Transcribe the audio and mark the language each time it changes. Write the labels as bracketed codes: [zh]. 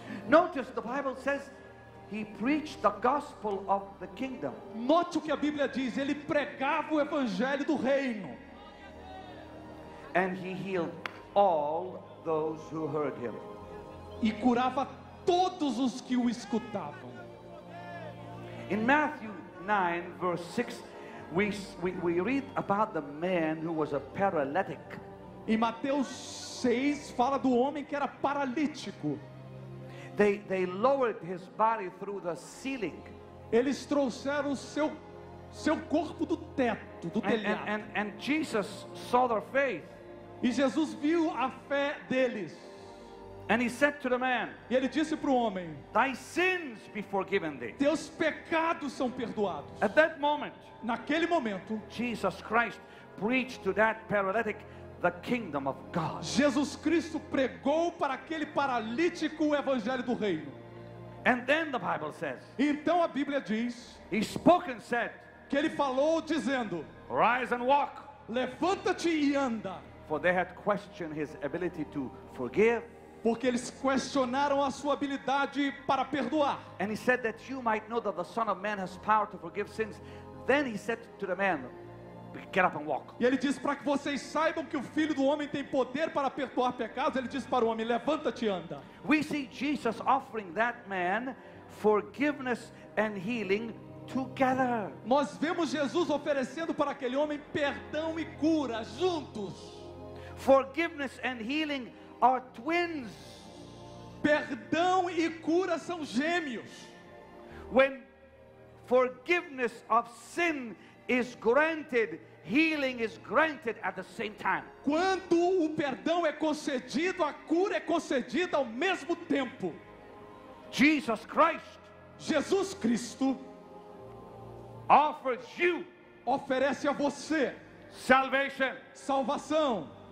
[en] Notice the Bible says he preached the gospel of the kingdom. [pt] Note o que a Bíblia diz, ele pregava o evangelho do reino. [en] And he healed all those who heard him. [pt] E curava todos os que o escutavam. [en] In Matthew 9:6, we read about the man who was a paralytic. [pt] Em Mateus 6 fala do homem que era paralítico. [en] They lowered his body through the ceiling. [pt] Eles trouxeram o seu corpo do teto, do telhado. [en] And Jesus saw their faith. [pt] E Jesus viu a fé deles. [en] And he said to the man, [pt] e ele disse para o homem, [en] thy sins be forgiven thee. [pt] Teus pecados são perdoados. [en] At that moment, [pt] naquele momento, [en] Jesus Christ preached to that paralytic the kingdom of God. [pt] Jesus Cristo pregou para aquele paralítico o evangelho do reino. [en] And then the Bible says, [pt] então a Bíblia diz, [en] he spoke and said, [pt] que ele falou dizendo, [en] rise and walk. [pt] Levanta-te e anda. [en] For they had questioned his ability to forgive. [pt] Porque eles questionaram a sua habilidade para perdoar. [en] And he said that you might know that the Son of Man has power to forgive sins. Then he said to the man, get up and walk. [pt] E ele disse, para que vocês saibam que o Filho do Homem tem poder para perdoar pecados, ele disse para o homem, levanta-te e anda. [en] We see Jesus offering that man forgiveness and healing together. [pt] Nós vemos Jesus oferecendo para aquele homem perdão e cura juntos. [en] Forgiveness and healing are twins. [pt] Perdão e cura são gêmeos. [en] When forgiveness of sin is granted, healing is granted at the same time. [pt] Quando o perdão é concedido, a cura é concedida ao mesmo tempo. [en] Jesus Christ, [pt] Jesus Cristo, [en] offers you, [pt] oferece a você, [en] salvation, [pt] salvação.